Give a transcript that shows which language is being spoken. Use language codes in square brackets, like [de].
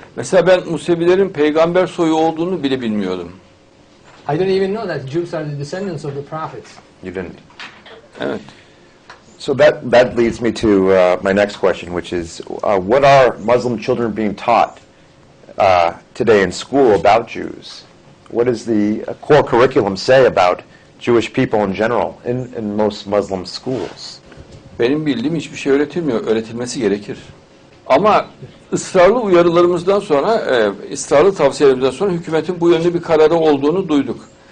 [tr] Mesela ben Musevilerin peygamber soyu olduğunu bile bilmiyordum. [en] I didn't even know that Jews are the descendants of the prophets. You didn't. [tr] Evet. [en] So that leads me to my next question, which is, what are Muslim children being taught today in school about Jews? What does the core curriculum say about Jewish people in general in most Muslim schools? [tr] Benim bildiğim hiçbir şey öğretilmiyor. Öğretilmesi gerekir. Ama ısrarlı uyarılarımızdan sonra, ısrarlı tavsiyelerimizden sonra hükümetin bu yönde bir kararı olduğunu duyduk.